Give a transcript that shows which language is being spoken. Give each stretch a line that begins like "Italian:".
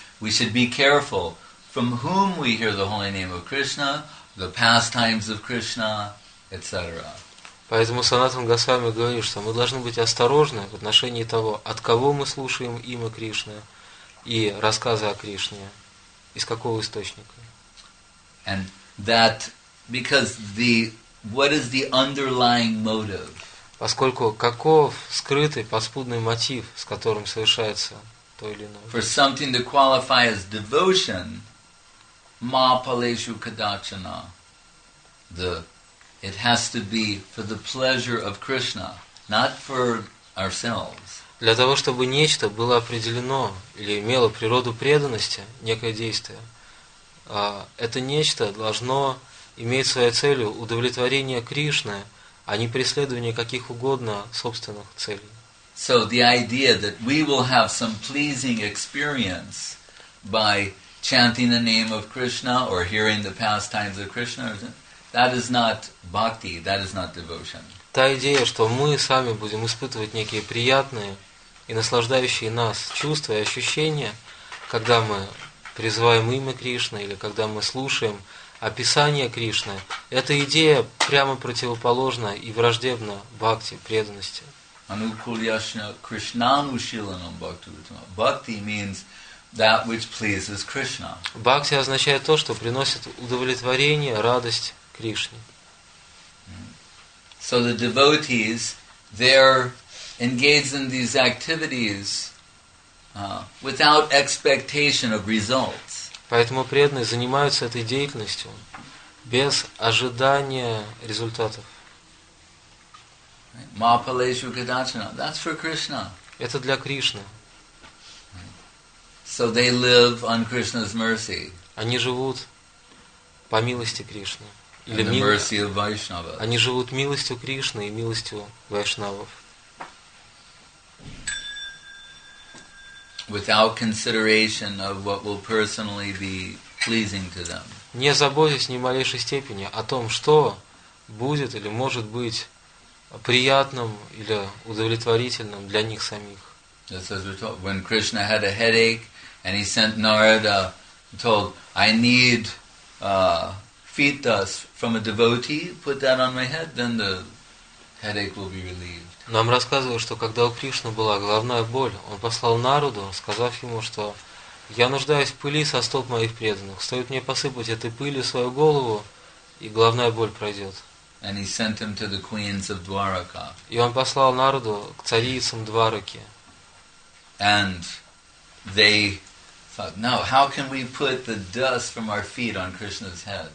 English: We should be careful from whom we hear the holy name of Krishna, the pastimes of Krishna, etc.
Russian: Поэтому Санатан Госвами говорит, что мы должны быть осторожны в отношении того, от кого мы слушаем имя Кришны и рассказы о Кришне, из какого источника.
English: And that because the what is the underlying motive?
Russian: Поскольку каков скрытый подспудный мотив, с которым совершается то или иное.
English: For something to qualify as devotion,
Sanskrit: ma paleshu kadachana.
English: It has to be for the pleasure of Krishna, not for ourselves.
Russian: Для того, чтобы нечто было определено или имело природу преданности, некое действие, это нечто должно иметь своей целью удовлетворение Кришны, а не преследование каких угодно собственных целей.
English: So the idea that we will have some pleasing experience by chanting the name of Krishna or hearing the pastimes of Krishna, that is not bhakti, that is not devotion.
Russian: Та идея, что мы сами будем испытывать некие приятные и наслаждающие нас чувства и ощущения, когда мы призываем имя Кришны или когда мы слушаем описание Кришны, эта идея прямо противоположна и враждебна бхакти, преданности.
Sanskrit: Anukulyasna krishnanushilanam bhakti uttama.
English: Bhakti means that which pleases Krishna.
Russian: Bhakti означает то, что приносит удовлетворение, радость Кришне.
English: So the devotees, they're engaged in these activities without expectation of results.
Russian: Поэтому преданные занимаются этой деятельностью без ожидания результатов.
Sanskrit: Ma paleshu kadachana.
English: That's for Krishna.
Russian: Это для Кришны.
English: So they live on Krishna's mercy.
Russian: Они живут по милости Кришны.
English: And the mercy of Vaishnavas.
Russian: Они живут милостью Кришны и милостью вайшнавов.
English: Without consideration of what will personally be pleasing to them.
Russian: Не заботясь ни в малейшей степени о том, что будет или может быть приятным или удовлетворительным для них самих.
English: Just as we talked, when Krishna had a headache and he sent Narada, he told, I need feet dust from a devotee, put that on my head, then the headache will be relieved.
Russian: Нам рассказывают, что когда у Кришны была головная боль, он послал Наруду, сказав ему, что «Я нуждаюсь в пыли со стоп моих преданных. Стоит мне посыпать этой пылью свою голову, и головная боль пройдет».
English: And he sent him to the queens of Dwaraka.
Russian: И он послал Наруду к царицам Двараки.
English: And they thought, no, how can we put the dust from our feet on Krishna's head?